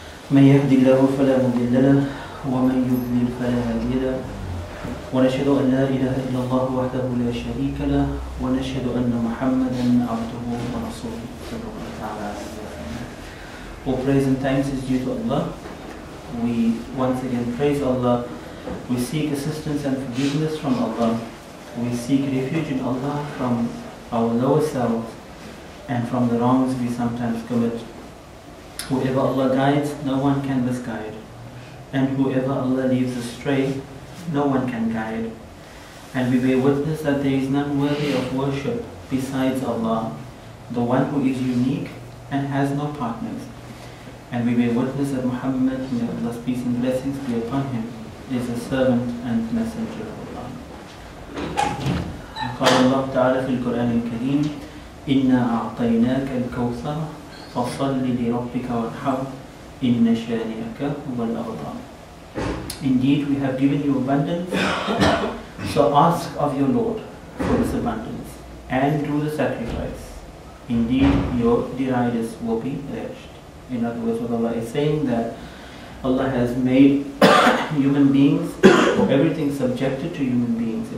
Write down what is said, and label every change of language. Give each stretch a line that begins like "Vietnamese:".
Arabic: من يهدي الله فلا مضل له ومن يضلل فلا هادي له ونشهد أن لا إله إلا الله وحده لا شريك له ونشهد أن محمدا عبده ورسوله صلى الله عليه وسلم.
English: All praise and thanks is due to Allah. We once again praise Allah. We seek assistance and forgiveness from Allah. We seek refuge in Allah from our lower selves and from the wrongs we sometimes commit. Whoever Allah guides, no one can misguide. And whoever Allah leaves astray, no one can guide. And we bear witness that there is none worthy of worship besides Allah, the one who is unique and has no partners. And we bear witness that Muhammad, may Allah's peace and blessings be upon him, is a servant and messenger of Allah.
Arabic: قال الله تعالى في القرآن الكريم إنا أعطيناك الكوثر فصل لربك وانحر إن شانئك هو الأبطال.
English: Indeed, we have given you abundance, so ask of your Lord for this abundance and do the sacrifice. Indeed, your deriders will be reached. In other words, what Allah is saying that Allah has made human beings, everything subjected to human beings.